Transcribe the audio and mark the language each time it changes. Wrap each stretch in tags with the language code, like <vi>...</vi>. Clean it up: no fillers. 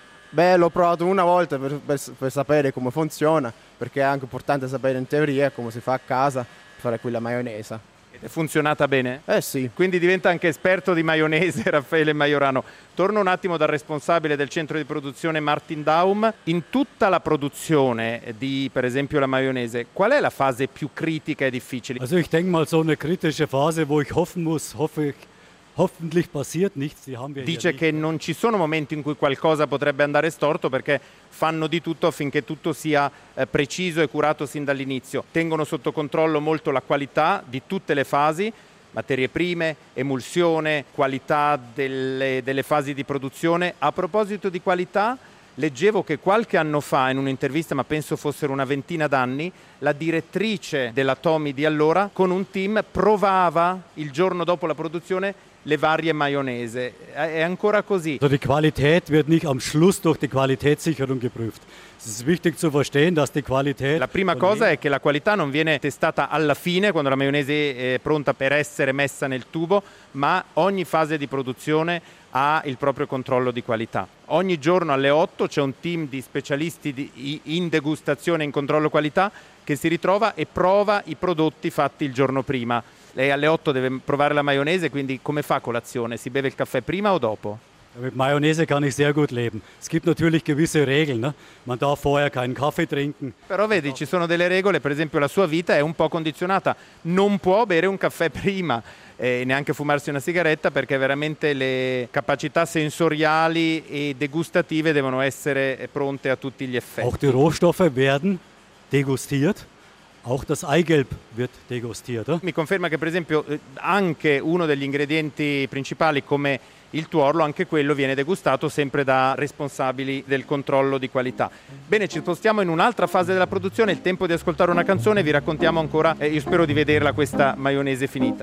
<it>Beh, l'ho provato una volta per sapere come funziona, perché è anche importante sapere in teoria come si fa a casa per fare qui la maionese. Ed è funzionata bene? Eh sì. Quindi diventa anche esperto di maionese Raffaele Maiorano. Torno un attimo dal responsabile del centro di produzione Martin Daum. In tutta la produzione di, per esempio, la maionese, qual è la fase più critica e difficile?</it> <de>Also ich denke mal so eine kritische Phase, wo ich hoffen muss, hoffe ich. Hoffentlich passiert nichts.</de> <it>Dice che non ci sono momenti in cui qualcosa potrebbe andare storto, perché fanno di tutto affinché tutto sia preciso e curato sin dall'inizio. Tengono sotto controllo molto la qualità di tutte le fasi, materie prime, emulsione, qualità delle fasi di produzione. A proposito di qualità, leggevo che qualche anno fa in un'intervista, ma penso fossero una ventina d'anni, la direttrice della Tommy di allora con un team provava il giorno dopo la produzione le varie maionese. È ancora così.</it> <de>Also die Qualität wird nicht am Schluss durch die Qualitätssicherung geprüft. Es ist wichtig zu verstehen, dass die Qualität.</de> <it>La prima cosa è che la qualità non viene testata alla fine, quando la maionese è pronta per essere messa nel tubo, ma ogni fase di produzione ha il proprio controllo di qualità. Ogni giorno alle 8 c'è un team di specialisti in degustazione, in controllo qualità, che si ritrova e prova i prodotti fatti il giorno prima. Lei alle 8 deve provare la maionese, quindi come fa colazione? Si beve il caffè prima o dopo?</it> <de>Mit Mayonnaise kann ich sehr gut leben. Es gibt natürlich gewisse Regeln, ne? Man darf vorher keinen Kaffee trinken.</de> <it>Però vedi, ci sono delle regole, per esempio la sua vita è un po' condizionata. Non può bere un caffè prima e neanche fumarsi una sigaretta, perché veramente le capacità sensoriali e degustative devono essere pronte a tutti gli effetti.</it> <de>Auch die Rohstoffe werden degustiert. Auch das Eigelb wird degustiert.</de> <it>Mi conferma che, per esempio, anche uno degli ingredienti principali, come il tuorlo, anche quello viene degustato sempre da responsabili del controllo di qualità. Bene, ci spostiamo in un'altra fase della produzione, il tempo di ascoltare una canzone, vi raccontiamo ancora, io spero di vederla questa maionese finita.</it>